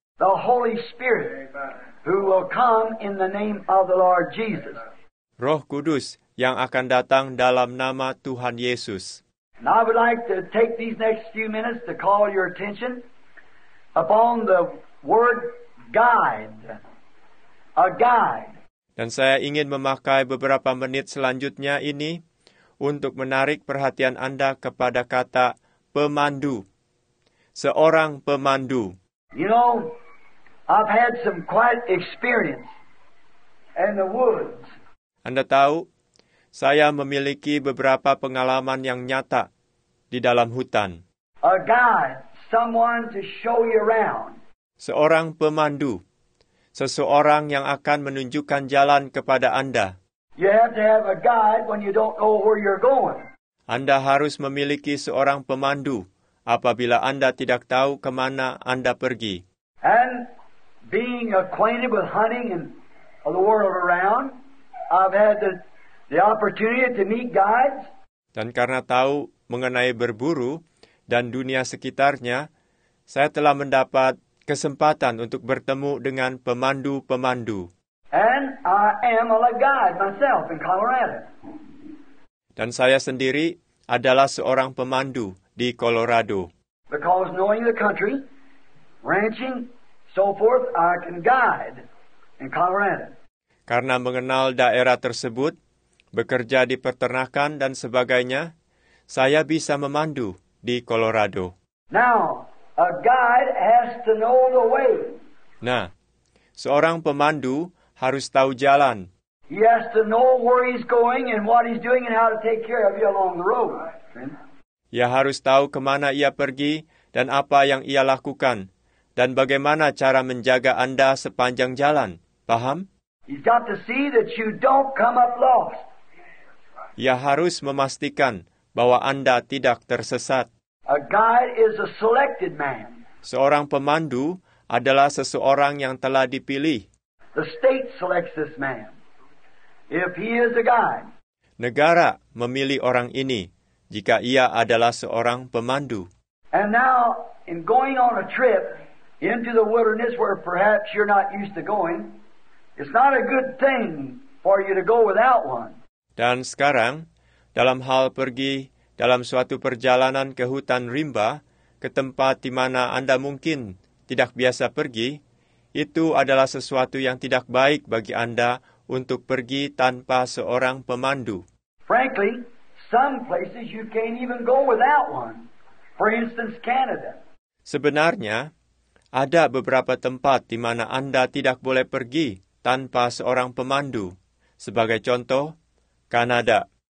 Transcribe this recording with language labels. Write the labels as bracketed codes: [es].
[en] The Holy Spirit, who will come in the name of the Lord Jesus. [id] Roh Kudus yang akan datang dalam nama Tuhan Yesus. [en] And I would like to take these next few minutes to call your attention upon the word guide. A guide. [id] Dan saya ingin memakai beberapa menit selanjutnya ini untuk menarik perhatian Anda kepada kata pemandu. Seorang pemandu. [en] You know, I've had some quiet experience in the woods. [id] Anda tahu, saya memiliki beberapa pengalaman yang nyata di dalam hutan. [en] A guide, someone to show you around. [id] Seorang pemandu, seseorang yang akan menunjukkan jalan kepada Anda. [en] You have to have a guide when you don't know where you're going. [id] Anda harus memiliki seorang pemandu apabila Anda tidak tahu ke mana Anda pergi. [en] And being acquainted with hunting and the world around, I've had the opportunity to meet guides. [id] Dan karena tahu mengenai berburu dan dunia sekitarnya, saya telah mendapat kesempatan untuk bertemu dengan pemandu-pemandu. [en] And I am a guide myself in Colorado. [id] Dan saya sendiri adalah seorang pemandu di Colorado. [en] Because knowing the country, ranching, so forth, I can guide in Colorado. [id] Karena mengenal daerah tersebut, bekerja di peternakan dan sebagainya, saya bisa memandu di Colorado. [en] Now, a guide has to know the way. [id] Nah, seorang pemandu harus tahu jalan. [en] He has to know where he's going and what he's doing and how to take care of you along the road. [id] Ia harus tahu kemana ia pergi dan apa yang ia lakukan. Dan bagaimana cara menjaga Anda sepanjang jalan. Paham? [en] He's got to see that you don't come up lost. [id] Ia harus memastikan bahwa Anda tidak tersesat. [en] A guide is a selected man. [id] Seorang pemandu adalah seseorang yang telah dipilih. [en] The state selects this man. If he is a guide. [id] Negara memilih orang ini jika ia adalah seorang pemandu. [en] And now, in going on a trip into the wilderness where perhaps you're not used to going, it's not a good thing for you to go without one. [id] Dan sekarang, dalam hal pergi dalam suatu perjalanan ke hutan rimba, ke tempat di mana Anda mungkin tidak biasa pergi, itu adalah sesuatu yang tidak baik bagi Anda untuk pergi tanpa seorang pemandu. [en] Frankly, some places you can't even go without one. For instance, Canada. [id] Sebenarnya, ada beberapa tempat di mana Anda tidak boleh pergi tanpa seorang pemandu. Sebagai contoh, Kanada.